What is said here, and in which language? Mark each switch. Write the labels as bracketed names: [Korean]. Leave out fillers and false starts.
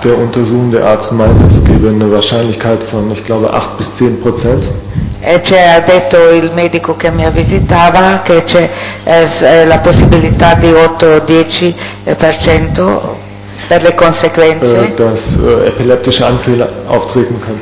[German] Der Untersuchung der Arzt meint, es gebe eine Wahrscheinlichkeit von, ich glaube, 8-10%. [Italian] E c'è, ha detto il medico che mi visitava, che c'è la possibilità di 8-10% per le conseguenze [German] dass epileptische Anfälle auftreten können.